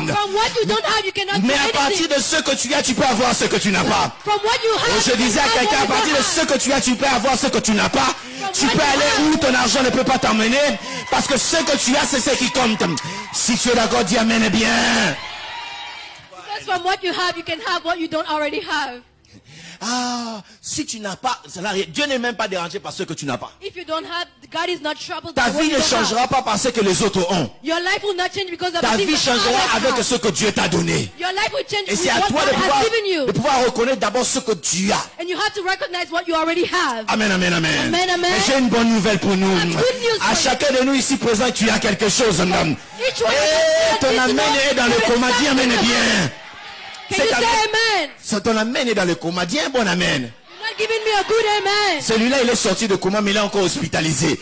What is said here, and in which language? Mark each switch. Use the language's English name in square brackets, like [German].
[English] From what you don't have, you cannot [French] mais [English] do [French] à partir [English] anything. [French] De ce que tu as, tu peux avoir ce que tu n'as pas. [English] From what you have, [French] je disais à quelqu'un, à partir de ce que tu as, tu peux avoir ce que tu n'as pas. Tu peux aller où ton argent ne peut pas t'emmener. Parce que ce que tu as, c'est ce qui compte. Si tu es d'accord, dis amen et bien. [English] From what you have, you can have what you don't already have. [French] Ah, si tu n'as pas, ça n'a rien. Dieu n'est même pas dérangé par ce que tu n'as pas. [English] If you don't have, God is not troubled. [French] Ta vie ne changera pas par ce que les autres ont. [English] Your life will not change because of [French] ta vie changera avec ce que Dieu t'a donné. [English] Your life will change. [French] Et c'est à toi de pouvoir reconnaître d'abord ce que tu as. [English] And you have to recognize what you already have. Amen, amen, amen. Amen, amen. [French] Et j'ai une bonne nouvelle pour nous. [English] Good news [French] à chacun de nous ici présents, tu as quelque chose, homme. Ton amen est dans le coma. Dis amen et bien. [English] Can [French] ton amen est dans le coma. Dis un bon amen. [English] You're not giving me a good amen. [French] Celui-là, il est sorti de coma, mais il est encore hospitalisé.